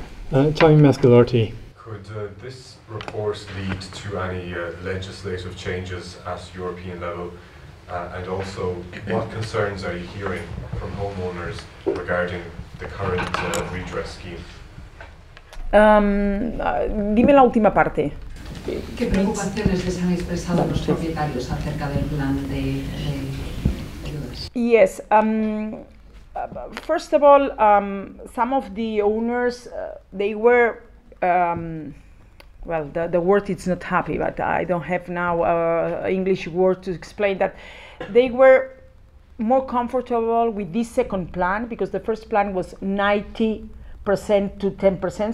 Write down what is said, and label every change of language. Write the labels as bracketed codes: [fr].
[en] Tommy Mescalorti. Could this report lead to any legislative changes at European level? And also, what concerns are you hearing from homeowners regarding the current redress scheme? [es] Dime la última parte. ¿Qué preocupaciones les han expresado los propietarios acerca del plan de ayudas? [en] Yes, First of all, some of the owners, they were, well, the word is not happy, but I don't have now an English word to explain that. They were more comfortable with this second plan because the first plan was 90% to 10%.